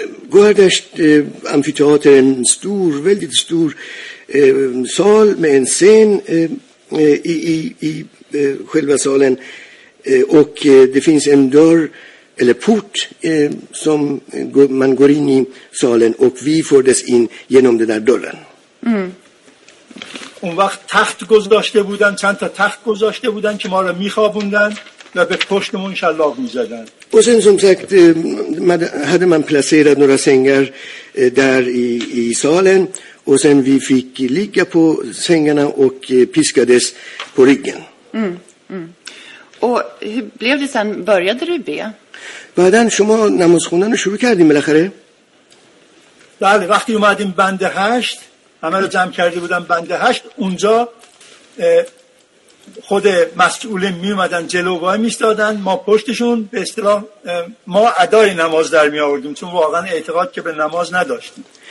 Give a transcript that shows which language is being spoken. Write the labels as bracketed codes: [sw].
[fa] گوهردشت آمفی‌تئاتر ولی ستور سال من سین [sv] i själva salen. Och det finns en dörr eller port som man går in i salen, och vi fördes in genom den där dörren. [fa] اون وقت تخت گذاشته بودن چند تا تخت گذاشته بودن که ما را میخوابوندن و به پشتمون شلاق میزدن. [sv] و sen som sagt hade man placerat några sängar där i salen, och sen vi fick ligga på sängarna och piskades på ryggen. Och hur blev det sen, började du be? [fa] بعدن شما نماز خوندن رو شروع کردیم بالاخره؟ بله، وقتی اومدیم بند 8 همه رو جمع کرده بودن بند 8، اونجا خود مسئولین می اومدن جلو وای می ایستادن، ما پشتشون به اصطلاح ما ادای نماز در می آوردیم، چون واقعا اعتقاد که به نماز نداشتیم.